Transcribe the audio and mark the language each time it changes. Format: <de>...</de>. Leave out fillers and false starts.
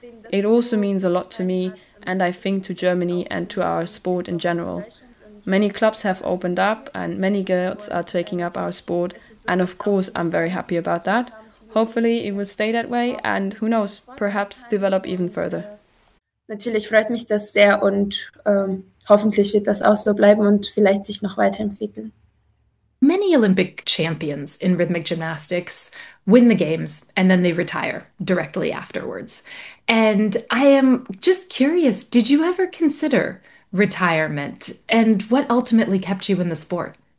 <en>It also means a lot to me, and I think to Germany and to our sport in general. Many clubs have opened up and many girls are taking up our sport, and of course I'm very happy about that. Hopefully it will stay that way and who knows, perhaps develop even further.</en> <de>Natürlich freut mich das sehr und hoffentlich wird das auch so bleiben und vielleicht sich noch weiterentwickeln.</de> <en>Many Olympic champions in rhythmic gymnastics win the games and then they retire directly afterwards. And I am just curious, did you ever consider retirement and what ultimately kept you in the sport?</en>